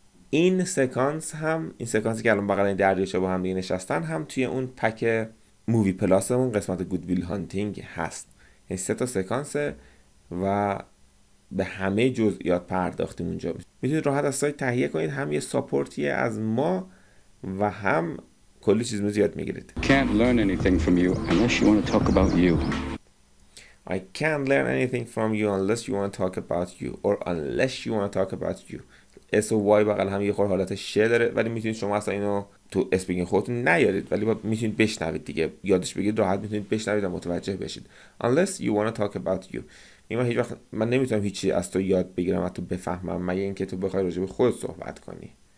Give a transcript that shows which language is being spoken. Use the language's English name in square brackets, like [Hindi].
[Persian] این سکانس هم، این سکانسی که الان بغل دریاچه با هم دیگه نشستن، هم توی اون پک مووی پلاسمون قسمت گود ویل هانتینگ هست. این سه تا سکانس و به همه جزئیات پرداختیم اونجا. میتونید راحت از سایت تهیه کنید، هم یه ساپورتیه از ما و هم کلی چیز زیاد میگیرید. [English] Can't learn anything from you unless you want to talk about you. I can't learn anything from you unless you want to talk about you or unless you want to talk about you. [Persian] S و Y بغل هم یه خور حالت ش داره، ولی میتونید شما اصلا اینو تو اسپیکینگ خودتون نیارید، ولی میتونید بشنوید دیگه، یادش بگیرید، راحت میتونید بشنوید و متوجه بشید. [English] Unless you want to talk about you. [Persian] من هیچ وقت من نمیتونم هیچی از تو یاد بگیرم و تو بفهمم مگه اینکه تو بخوای راجع به خودت صحبت کنی.